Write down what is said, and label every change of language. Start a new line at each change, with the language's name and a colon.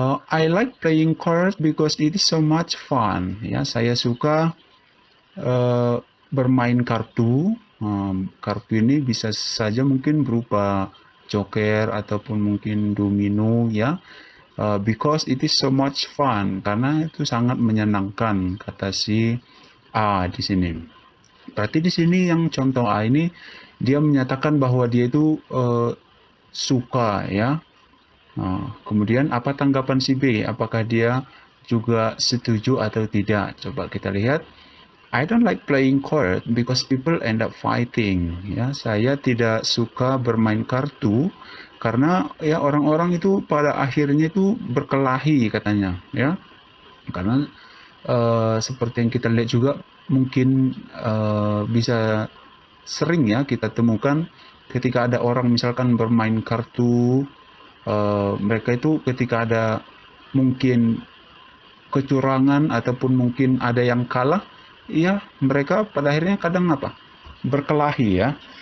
English: I like playing cards because it is so much fun.
Indonesian: Ya, saya suka bermain kartu. Kartu ini bisa saja mungkin berupa joker ataupun mungkin domino. Ya, because it is so much fun. Karena itu sangat menyenangkan, kata si A di sini. Berarti di sini yang contoh A ini dia menyatakan bahwa dia itu suka ya. Nah, kemudian apa tanggapan si B? Apakah dia juga setuju atau tidak? Coba kita lihat.
English: I don't like playing card because people end up fighting.
Indonesian: Ya, saya tidak suka bermain kartu karena ya orang-orang itu pada akhirnya itu berkelahi katanya, ya. Karena seperti yang kita lihat juga mungkin bisa sering ya kita temukan ketika ada orang misalkan bermain kartu mereka itu ketika ada mungkin kecurangan ataupun mungkin ada yang kalah ya mereka pada akhirnya kadang apa berkelahi ya.